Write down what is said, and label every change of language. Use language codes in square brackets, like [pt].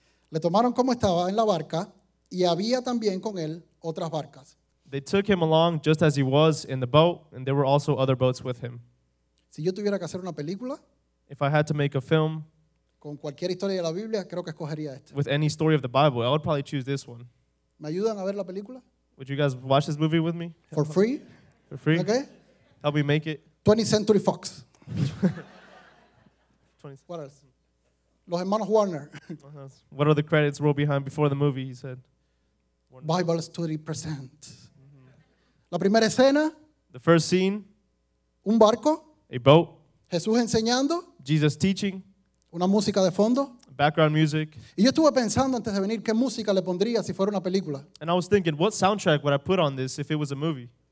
[es] le tomaron como estaba en la barca, y había también con él otras barcas. [en] They took him along just as he was in the boat, and there were also other boats with him. [es] Si yo tuviera que hacer una película, [en] if I had to make a film, [es] con cualquier historia de la Biblia, creo que escogería esta. [en] With any story of the Bible, I would probably choose this one. [es] ¿Me ayudan a ver la película? [en] Would you guys watch this movie with me? For free? For free? Okay. Help me make it. 20th Century Fox. 20th. What else? [es] Los hermanos Warner. [en] What are the credits roll behind before the movie, he said? [es] Warner. [en] Bible Study present. [es] La primera escena. [en] The first scene. [es] Un barco. [en] A boat. [es] Jesús enseñando. [en] Jesus teaching. [es] Una música de fondo. [en] Background music. [es] Y yo estuve pensando antes de venir qué música le pondría si fuera una película. [en] And I was thinking, what soundtrack would I put on this if it was a movie?